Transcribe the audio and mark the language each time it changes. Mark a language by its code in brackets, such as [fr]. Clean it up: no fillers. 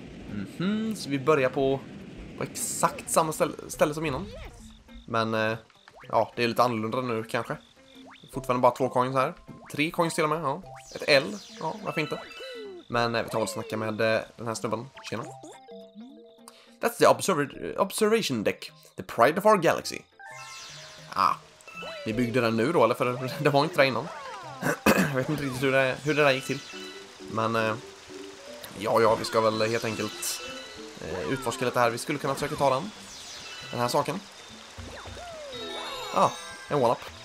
[sv] Mm-hmm, så vi börjar på exakt samma ställe som innan. Men ja, det är lite annorlunda nu kanske. Fortfarande bara två coins här. Tre coins till och med, ja. Ett L, ja, varför inte. Men vi tar och snackar med den här snubben. Tjena. [en] That's the observation deck. The pride of our galaxy. [sv] Ah, ni byggde den nu då, eller? För det var inte där innan. Jag vet inte riktigt hur det där gick till. Men, ja, vi ska väl helt enkelt utforska lite här. Vi skulle kunna försöka ta den här saken. Ah, en one-up.